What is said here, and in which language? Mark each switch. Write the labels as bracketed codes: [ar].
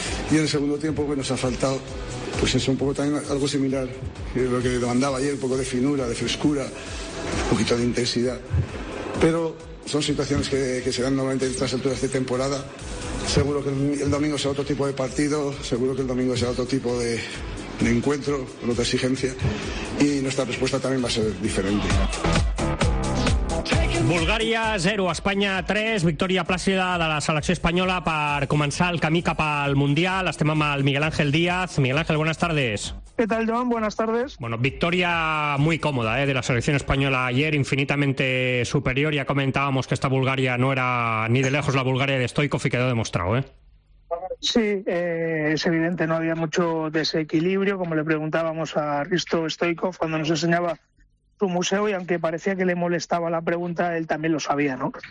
[es] Y en el segundo tiempo, bueno, se ha faltado. Pues es un poco también algo similar a lo que demandaba ayer, un poco de finura, de frescura, un poquito de intensidad. Pero son situaciones que se dan normalmente en estas alturas de temporada. Seguro que el domingo será otro tipo de partido, seguro que el domingo será otro tipo de encuentro, con otra exigencia, y nuestra respuesta también va a ser diferente. [ca] Bulgària 0, Espanya 3, victòria plàcida de la selecció espanyola per començar el camí cap al Mundial. Estem amb el Miguel Ángel Díaz. [es] Miguel Ángel, buenas tardes. ¿Qué tal, Joan? Buenas tardes. Bueno, victoria muy cómoda de la selección española ayer, infinitamente superior. Ya comentábamos que esta Bulgaria no era ni de lejos la Bulgaria de Stoikov y quedó demostrado, ¿eh? Sí, es evidente, no había mucho desequilibrio, como le preguntábamos a Risto Stoikov cuando nos enseñaba su museo, y aunque parecía que le molestaba la pregunta, él también lo sabía, ¿no?